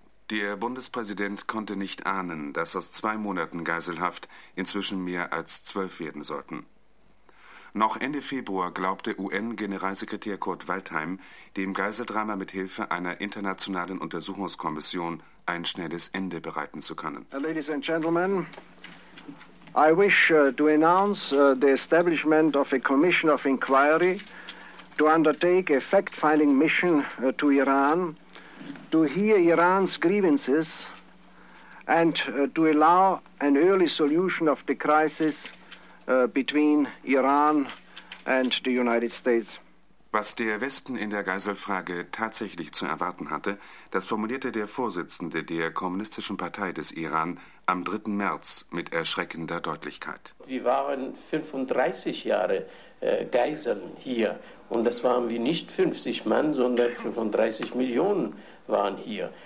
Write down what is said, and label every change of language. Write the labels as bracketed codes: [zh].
[de] Der Bundespräsident konnte nicht ahnen, dass aus 2 Monaten Geiselhaft inzwischen mehr als 12 werden sollten. Noch Ende Februar glaubte UN-Generalsekretär Kurt Waldheim, dem Geiseldrama mit Hilfe einer internationalen Untersuchungskommission ein schnelles Ende bereiten zu können. [en] Ladies and gentlemen, I wish to announce the establishment of a commission of inquiry to undertake a fact-finding mission to Iran, to hear Iran's grievances and to allow an early solution of the crisis between Iran and the United States. [de] Was der Westen in der Geiselfrage tatsächlich zu erwarten hatte, das formulierte der Vorsitzende der Kommunistischen Partei des Iran am 3. März mit erschreckender Deutlichkeit. Wir waren 35 Jahre Geiseln hier und das waren wir nicht 50 Mann, sondern 35 Millionen waren hier.